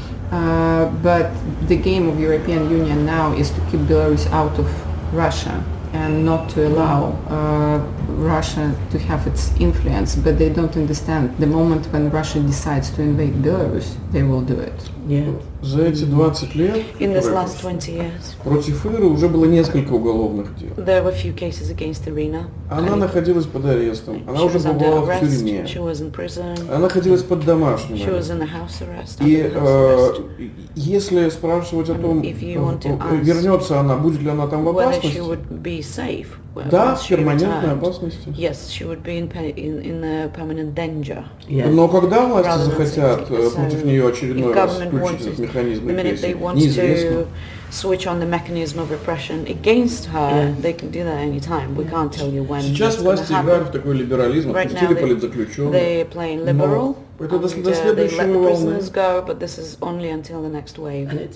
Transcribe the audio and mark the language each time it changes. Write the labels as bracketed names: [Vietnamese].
[English] But the game of European Union now is to keep Belarus out of Russia and not to allow Russia to have its influence. But they don't understand. The moment when Russia decides to invade Belarus, they will do it. Yeah. [Russian] За эти 20 лет, [English] in this last 20 years, [Russian] против Иры уже было несколько уголовных дел. [English] There were a few cases against Irina. [Russian] Она находилась под арестом. Она уже бывала в тюрьме. [English] She was in prison. [Russian] Она находилась под домашним арестом. [English] She was in a house arrest. [Russian] И если спрашивать о том, вернется она, будет ли она там в опасности? [English] Whether she would be safe. [Russian] Да, в перманентной опасности. [English] Yes, she would be in a permanent danger. Yes. [Russian] Но когда власти захотят против нее очередной раз включить этот механизм репрессий, неизвестно. [English] Switch on the mechanism of repression against her, they can do that any time. We can't tell you when. [Russian] Сейчас власти играют в такой либерализм, отпустили политзаключенных. [English] They are playing liberal. [Russian] Это до следующей волны. [English] They let the prisoners go, but this is only until the next wave.